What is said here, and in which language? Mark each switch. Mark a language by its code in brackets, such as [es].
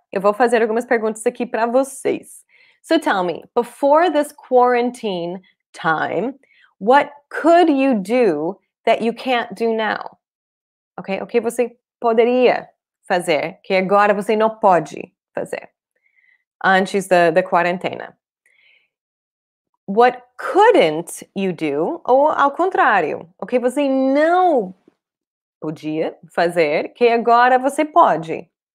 [pt] Eu vou fazer algumas perguntas aqui para vocês. [en] So tell me, before this quarantine time, what could you do that you can't do now? [pt] Okay, o que você poderia fazer que agora você não pode fazer antes da quarentena? [en] What couldn't you do? [pt] Ou ao contrário, o que você não podia fazer que agora você pode?